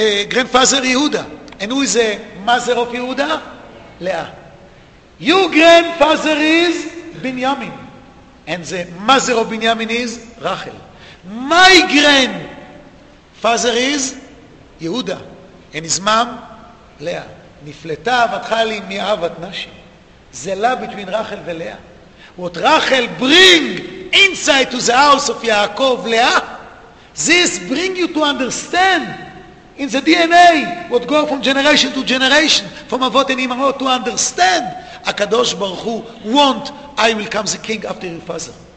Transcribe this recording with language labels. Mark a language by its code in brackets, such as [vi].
[en] Grandfather Yehuda. And who is the mother of Yehuda? Leah. Your grandfather is Binyamin. And the mother of Binyamin is Rachel. My grandfather is Yehuda. And his mom, Leah. [he] נפלטה אהבתך לי מאהבת נשים. [en] זה love between Rachel and Leah. What Rachel bring inside to the house of Yaakov, Leah, this bring you to understand in the DNA what go from generation to generation, from Avot and Imamot, to understand HaKadosh Baruch Hu want I will come the king after your father.